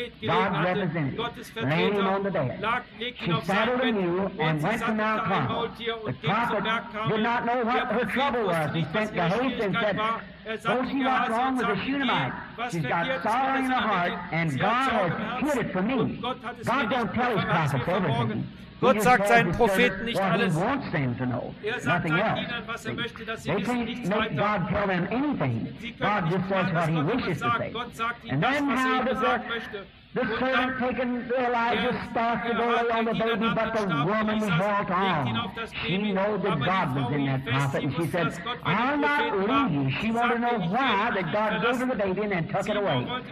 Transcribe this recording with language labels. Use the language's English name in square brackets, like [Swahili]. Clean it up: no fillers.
[English] God represented him, laid him on the bed. She saddled anew and went to Mount Carmel. The prophet did not know what her trouble was. He sent the host and said, oh, she got wrong with the Shunammite. She's got sorrow in her heart, and God has hid it from me. God don't tell his prophets everything. [German] Gott sagt seinen Propheten nicht alles. Er sagt seinen Dienern, was möchte, dass sie wissen, nichts [English] God tell them anything. God just says what he wishes to say. And then how does the servant taken the Elijah's staff to go lay on the baby, but the woman walked on. She knew that God was in that prophet, and she said, I'm not leaving. She wanted to know why that God gave her the baby and then took it away.